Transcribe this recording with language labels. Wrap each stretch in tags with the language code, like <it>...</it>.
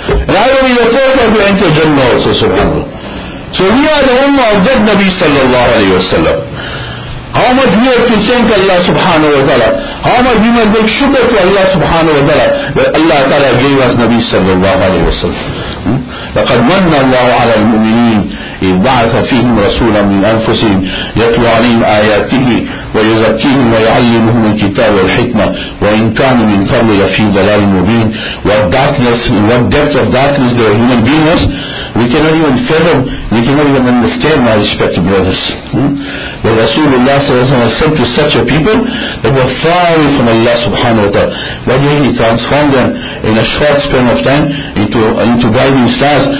<en>And I will be the first one to enter Jannah also, subhanAllah. So we are the ummah of that Nabi sallallahu alayhi wa sallam. How much we have to thank Allah subhanahu wa ta'ala. How much we must make shukr to Allah subhanahu wa ta'ala that Allah ta'ala gave us Nabi sallallahu alayhi wa sallam.</en> <ar>لقد من الله على المؤمنين إذ بعث فيهم رسولا من أنفسهم يتلو عليهم آياته ويزكيهم ويعلمهم الكتاب والحكمة وإن كانوا من قبل لفي ضلال مبين.</ar> <en>What darkness, in what depth of darkness the human being was, we cannot even fathom, we cannot even understand, my respected brothers. The Rasulullah was sent to such a people that were far away from Allah subhanahu wa ta'ala. But he transformed them in a short span of time into guiding stars.</en>